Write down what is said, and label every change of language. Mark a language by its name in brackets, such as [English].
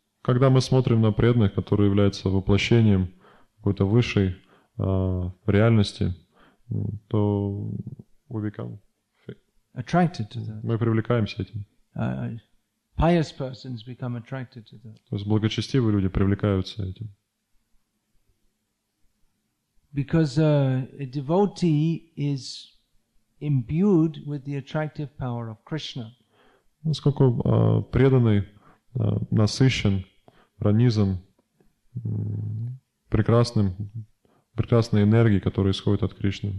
[Russian] Когда мы смотрим на преданных, которые являются воплощением какой-то высшей реальности, то [English] we become attracted to that. [Russian] Мы привлекаемся этим. [English] Pious persons become attracted to that. [Russian] То есть благочестивые люди привлекаются этим. [English] Because a devotee is imbued with the attractive power of Krishna. [Russian] Насколько преданный насыщен, пронизан прекрасной энергией, которая исходит от Кришны.